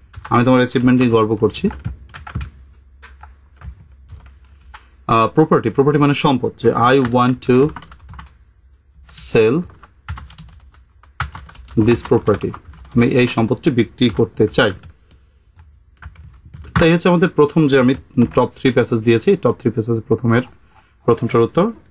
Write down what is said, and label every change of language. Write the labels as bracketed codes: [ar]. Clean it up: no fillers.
[bn] আমি তোমার achievementই গর্ব করছি. Property মানে সম্পদ. [en] যে I want to sell this property. [bn] আমি এই সম্পদটি বিক্রি করতে চাই. তাই হচ্ছে আমাদের প্রথম যে আমি [en] top three passages [bn] দিয়েছি. [en] Top three passages [bn] প্রথমের প্রথমটার উত্তর.